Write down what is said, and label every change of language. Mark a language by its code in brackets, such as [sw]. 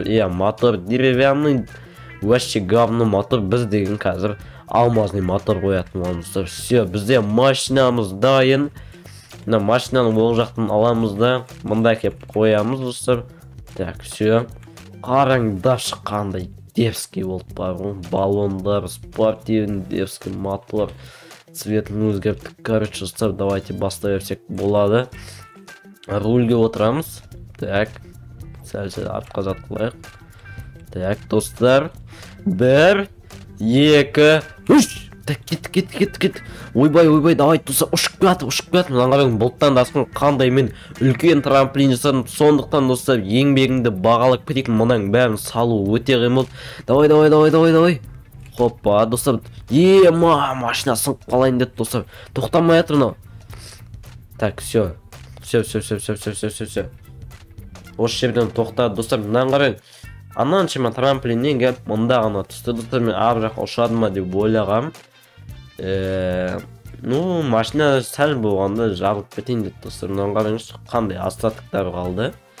[kk] Иә, [ru] мотор деревянный, вообще говно мотор. [kk] Біз деген қазір алмазный мотор қоятын боламыз, достар. Все, бізде машинамыз дайын. Мына машинаны ол жақтан аламыз да, мында кеп қоямыз, достар. [ru] Так, все, [kk] қараңдар, шыққандай дерзкий болып бар. [ru] Баллондар, спортивный дерзкий мотор. [kk] Цветін өзгерттік, короче, достар, [ru] давайте [kk] бастай берсек болады. Рульге отырамыз. Так, сәлсе артқа жатқылайық. Так, достар, 1, 2, 3. Так, кеттік, кеттік, кеттік, кеттік. Ойбай, ойбай, [ru] давай, [kk] достар, ұшып келатыр, ұшып келатыр. Мен аңғарамын, бұлттан да асқан, қандай мен үлкен трамплин жасадым. Сондықтан, достар, еңбегіңді бағалап кетейін, мынаның бәрін салу өте қиын болды. [ru] Давай, давай, давай, давай, давай. [kk] Опа, достар, ема, машина сынып қалайын деді, достар, тоқтамай жатыр мынау. [ru] Так, все, все, все, все, все, все, все, все, все. [kk] Осы жерден тоқтады, достар, мынаған қарай, ананшыма трамплиннен келіп мында ғана түсті, достар, мен ар жаққа ұшады ма деп ойлағанмын. Ну, машина сәл болғанда жарылып кетейін деді, достар, мынаған қараңызшы қандай остатықтар қалды.